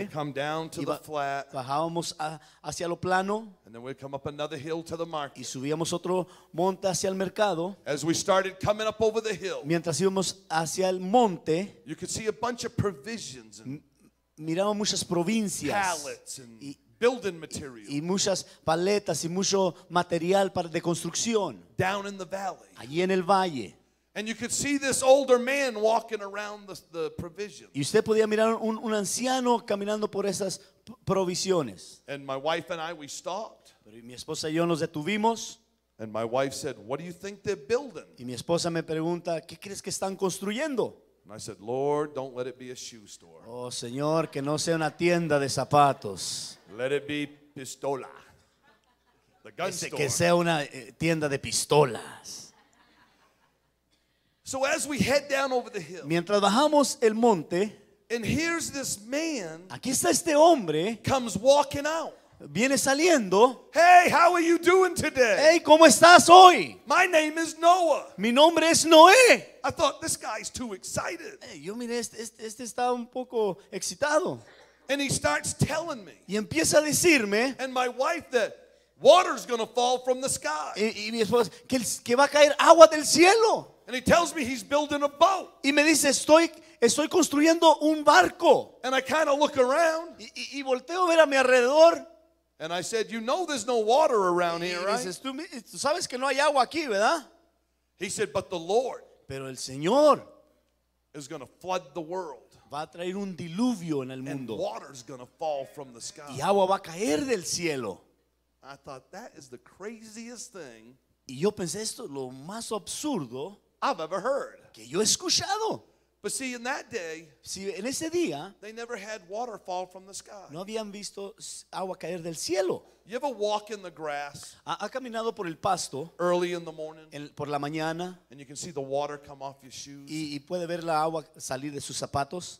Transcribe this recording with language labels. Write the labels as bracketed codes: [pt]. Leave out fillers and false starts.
[en] we'd come down to the flat, [es] bajábamos hacia lo plano, [en] and then we'd come up another hill to the market. [es] Y subíamos otro monte hacia el mercado. [en] As we started coming up over the hill, [es] mientras íbamos hacia el monte, [en] you could see a bunch of provisions and [es] miraba muchas provincias, [en] pallets and building material, [es] y muchas paletas y mucho material para de construcción, [en] down in the valley, [es] allí en el valle. [en] And you could see this older man walking around the provisions. [es] Y usted podía mirar un anciano caminando por esas provisiones. [en] And my wife and I, we stopped. [es] Pero mi esposa y yo nos detuvimos. [en] And my wife said, "What do you think they're building?" [es] Y mi esposa me pregunta, "¿Qué crees que están construyendo?" [en] And I said, "Lord, don't let it be a shoe store." [es] Oh, Señor, que no sea una tienda de zapatos. [en] Let it be pistola. The gun store. [es] Que sea una tienda de pistolas. [en] So as we head down over the hill, [es] mientras bajamos el monte, [en] and here's this man, [es] aquí está este hombre, [en] comes walking out, [es] viene saliendo. [en] Hey, how are you doing today? [es] Hey, ¿cómo estás hoy? [en] My name is Noah. [es] Mi nombre es Noé. [en] I thought this guy's too excited. [es] Hey, yo miré, este está un poco excitado. [en] And he starts telling me, [es] y empieza a decirme, [en] and my wife that water's gonna fall from the sky. [es] Y mi esposa que va a caer agua del cielo. [en] And he tells me he's building a boat. [es] Y me dice, estoy construyendo un barco. [en] And I kind of look around. [es] Y volteo a ver a mi alrededor. [en] And I said, you know there's no water around here, right? [es] Dices, tú sabes que no hay agua aquí, ¿verdad? [en] He said, but the Lord, [es] pero el Señor, [en] is going to flood the world. [es] Va a traer un diluvio en el mundo. [en] And water is going to fall from the sky. [es] Y agua va a caer del cielo. [en] I thought, that is the craziest thing. [es] Y yo pensé, esto es lo más absurdo [en] I've ever heard. [es] Que yo he escuchado. [en] But see, in that day, [es] en ese día, [en] they never had water fall from the sky. [es] No habían visto agua caer del cielo. [en] You ever walk in the grass? [es] Ha caminado por el pasto. [en] Early in the morning. [es] Por la mañana. [en] And you can see the water come off your shoes. [es] Y puede ver la agua salir de sus zapatos.